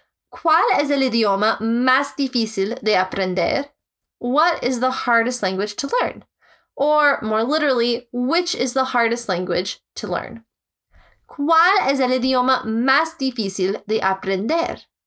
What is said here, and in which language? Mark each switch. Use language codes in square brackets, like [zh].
[es] ¿Cuál es el idioma más difícil de aprender? [en] What is the hardest language to learn? Or more literally, which is the hardest language to learn? [es] ¿Cuál es el idioma más difícil de aprender?